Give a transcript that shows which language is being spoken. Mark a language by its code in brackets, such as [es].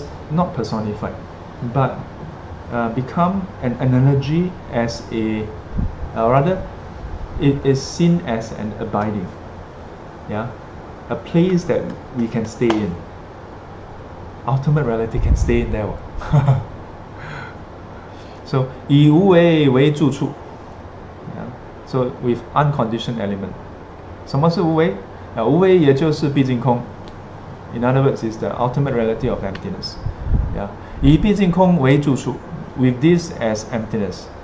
[en] Not personified, but become an analogy as a, rather, it is seen as an abiding, yeah? A place that we can stay in. Ultimate reality can stay in there. [zh] So, 以无为为住处 yeah. [en] So with unconditioned element. [zh] 什么是无为？无为也就是毕竟空。 [en] In other words, it's the ultimate reality of emptiness. Yeah. [zh] 以毕竟空为住处 [en] ,with this as emptiness.